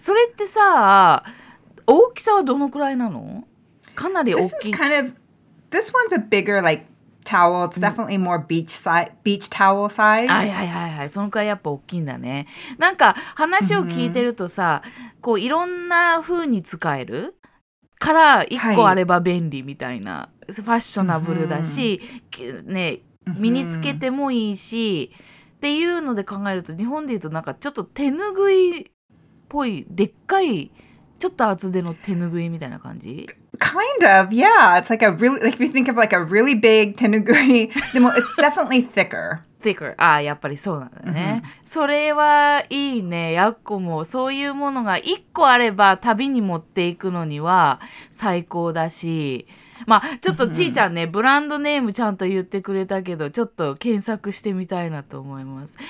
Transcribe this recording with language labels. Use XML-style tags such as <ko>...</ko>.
<ja>それってさ、大きさはどのくらいなの? かなり大きい。</ja> <en>This is kind of, this one's a bigger like towel. It's definitely more beach towel size.</en> <ja>はいはいはいはい。そのくらいやっぱ大きいんだね。なんか話を聞いてるとさ、こういろんな風に使えるから一個あれば便利みたいな。はい、ファッショナブルだし、ね、身につけてもいいし、っていうので考えると日本で言うとなんかちょっと手拭いっぽいでっかい。ちょっと厚手の手ぬぐいみたいな感じ?</ja> <en>Kind of, yeah. It's like a really, like if you think of like a really big 手ぬぐい,</en> <ja>でも</ja> <en>it's definitely thicker. thicker.</en> <ja>ああ、やっぱりそうなんだね。 Mm-hmm. それはいいね。ヤッコもそういうものが一個あれば旅に持っていくのには最高だし。まあちょっとちーちゃんね、ブランドネームちゃんと言ってくれたけど、ちょっと検索してみたいなと思います。</ja>